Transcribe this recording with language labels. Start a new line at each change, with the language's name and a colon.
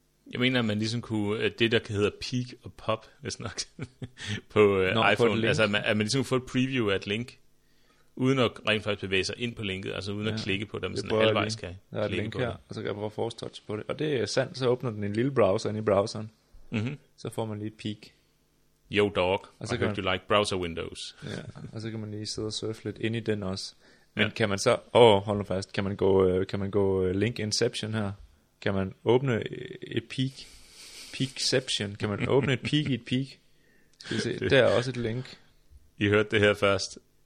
Danish: Jeg mener, at man ligesom kunne, at det der hedder peak og pop, hvis nok, på iPhone, på altså at man ligesom kunne få et preview af et link, uden at rent faktisk bevæge sig ind på linket, altså uden at klikke på det, man sådan halvvejs kan klikke på det. Der er et link her, og så kan jeg prøve at force touch på det. Og det er sandt, så åbner den en lille browser ind i browseren, mm-hmm. Så får man lige et peak.
English: Yo dog, I hope you like browser windows.
Danish: Ja, og så kan man lige sidde og surfe lidt ind i den også. Men kan man så, hold nu fast, kan man gå link inception her? Kan man åbne et peak? Peakception? Kan man åbne et peak i et peak? Der er også et link. I hørte det her først.